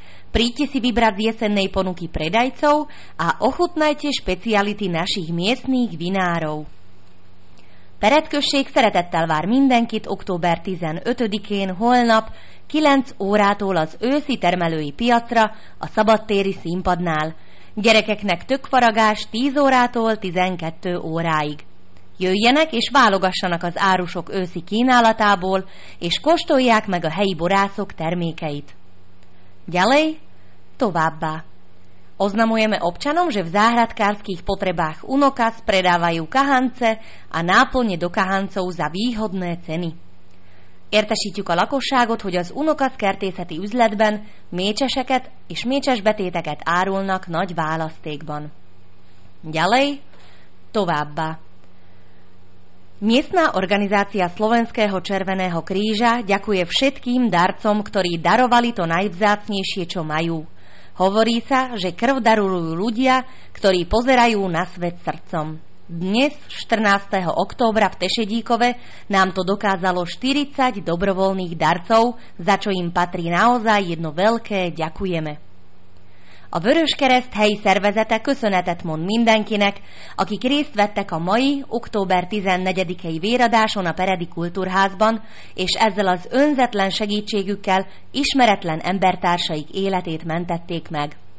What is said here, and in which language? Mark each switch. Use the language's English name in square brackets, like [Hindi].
[Slovak] Príďte si vybrať z jesennej ponuky predajcov a ochutnajte špeciality našich miestnych vinárov. [Hungarian] Peretkösség szeretettel vár mindenkit október 15-én holnap 9 órától az őszi termelői piacra a szabadtéri színpadnál. Gyerekeknek tökfaragás 10 órától 12 óráig. Jöjjenek és válogassanak az árusok őszi kínálatából, és kóstolják meg a helyi borászok termékeit. [Slovak] Ďalej, [Hungarian] továbbá. [Slovak] Oznamujeme občanom, že v záhradkárskych potrebách Unokas predávajú kahance a náplne do kahancov za výhodné ceny. [Hungarian] Értesítjük a lakosságot, hogy az Unokas kertészeti üzletben mécseseket és mécsesbetéteket árulnak nagy választékban. [Slovak] Ďalej, [Hungarian] továbbá. [Slovak] Miestna organizácia Slovenského Červeného kríža ďakuje všetkým darcom, ktorí darovali to najvzácnejšie, čo majú. Hovorí sa, že krv darujú ľudia, ktorí pozerajú na svet srdcom. Dnes, 14. októbra v Tešedíkove, nám to dokázalo 40 dobrovoľných darcov, za čo im patrí naozaj jedno veľké ďakujeme. [Hungarian] A Vöröskereszt helyi szervezete köszönetet mond mindenkinek, akik részt vettek a mai, október 14-i véradáson a Peredi Kultúrházban, és ezzel az önzetlen segítségükkel ismeretlen embertársaik életét mentették meg.